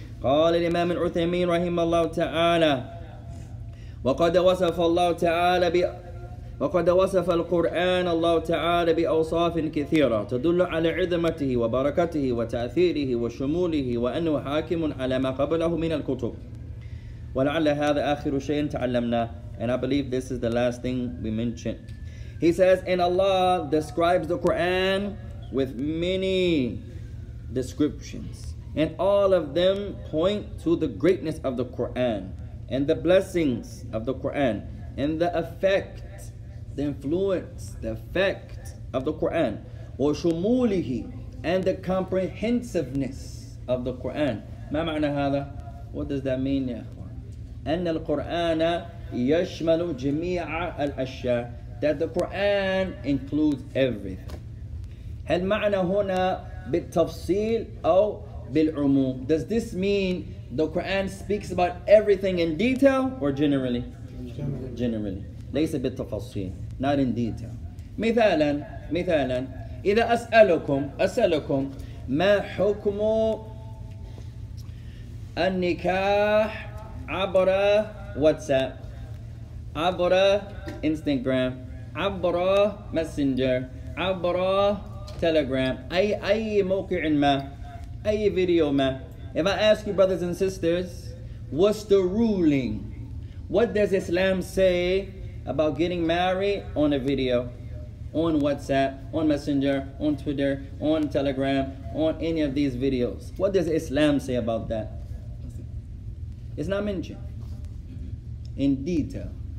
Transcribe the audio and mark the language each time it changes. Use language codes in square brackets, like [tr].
[ar] قال الإمام العثيمين رحمه الله تعالى. وقد وصف الله تعالى ب وقد وصف القرآن الله تعالى بأوصاف كثيرة تدل على عظمته وبركته وتأثيره وشموله وأنه حاكم على ما قبله من الكتب. ولعل هذا آخر شيء تعلمناه. [en] And I believe this is the last thing we mentioned. He says, and Allah describes the Quran with many descriptions, and all of them point to the greatness of the Quran and the blessings of the Quran and the effect, the influence, the effect of the Quran, or shumulihi, and the comprehensiveness of the Quran. [ar] ما معنى هذا؟ [en] What does that mean, [ar] يا أخوان؟ أن القرآن يشمل جميع الأشياء. [en] That the Quran includes everything. [ar] هل معنى هنا بالتفصيل أو بالعموم؟ [en] Does this mean the Quran speaks about everything in detail or generally? Generally. [ar] ليس بالتفصيل. [en] Not in detail. [ar] مثالا إذا أسألكم ما حكم النكاح عبر واتساب عبر إنستغرام عبر ماسنجر عبر تيليجرام أي موقع ما أي فيديو ما. [en] If I ask you brothers and sisters, what's the ruling? What does Islam say about getting married on a video, on WhatsApp, on Messenger, on Twitter, on Telegram, on any of these videos? What does Islam say about that? It's not mentioned in detail.